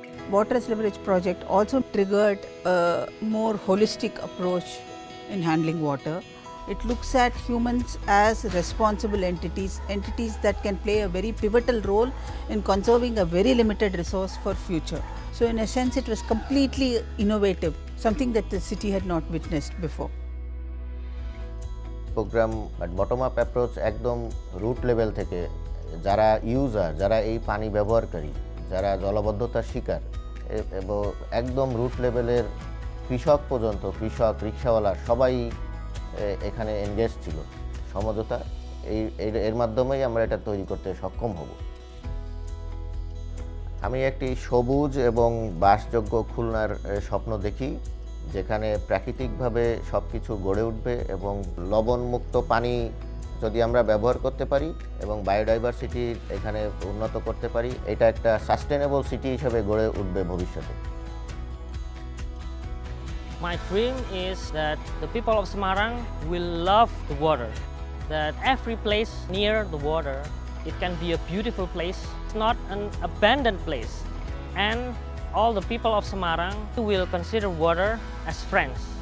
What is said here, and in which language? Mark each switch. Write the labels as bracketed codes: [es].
[en] Water as Leverage project also triggered a more holistic approach in handling water. It looks at humans as responsible entities, entities that can play a very pivotal role in conserving a very limited resource for future. So in a sense, it was completely innovative, something that the city had not witnessed before. [bn] Program at bottom-up approach, একদম root level থেকে, যারা user, যারা এই পানি ব্যবহার করি, যারা জলাবদ্ধতা শিকার, এবং একদম root levelের কৃষক পর্যন্ত, কৃষক, রিকশাওয়ালা, সবাই এখানে engaged ছিল, সমঝোতা, এর মাধ্যমেই আমরা এটা তৈরি করতে সক্ষম হব। আমি একটি সবুজ এবং বাসযোগ্য খুলনার স্বপ্ন দেখি যেখানে প্রাকৃতিকভাবে সবকিছু গড়ে উঠবে এবং লবণমুক্ত পানি যদি আমরা ব্যবহার করতে পারি এবং বায়োডাইভার্সিটি এখানে উন্নত করতে পারি এটা একটা সাস্টেনেবল সিটি হিসেবে গড়ে উঠবে ভবিষ্যতে [en] My dream is that the people of Semarang will love the water that every place near the water It can be a beautiful place, not an abandoned place. And all the people of Semarang will consider water as friends.